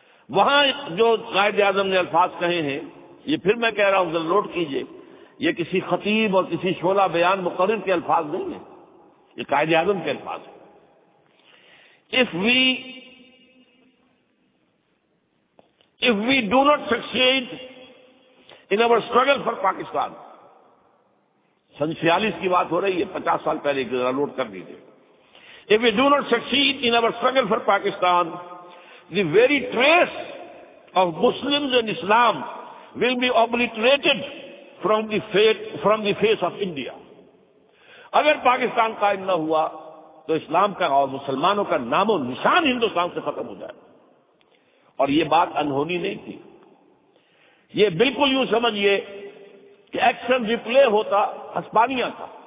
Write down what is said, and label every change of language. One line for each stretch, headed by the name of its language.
Urdu: وہاں جو قائد اعظم نے الفاظ کہے ہیں, یہ پھر میں کہہ رہا ہوں, ذرا نوٹ کیجئے, یہ کسی خطیب اور کسی شعلہ بیان مقرر کے الفاظ نہیں ہیں, یہ قائد اعظم کے الفاظ ہیں.
English: If we do not succeed in our struggle for Pakistan,
Urdu: 1946 کی بات ہو رہی ہے, 50 سال پہلے, ذرا نوٹ کر لیجئے.
English: If we do not succeed in our struggle for Pakistan, the very trace of Muslims and Islam will be obliterated from the face of India.
Urdu: اگر پاکستان قائم نہ ہوا تو اسلام کا اور مسلمانوں کا نام و نشان ہندوستان سے ختم ہو جائے. اور یہ بات انہونی نہیں تھی, یہ بالکل یوں سمجھئے کہ ایکشن ریپلے ہوتا ہسپانیہ کا.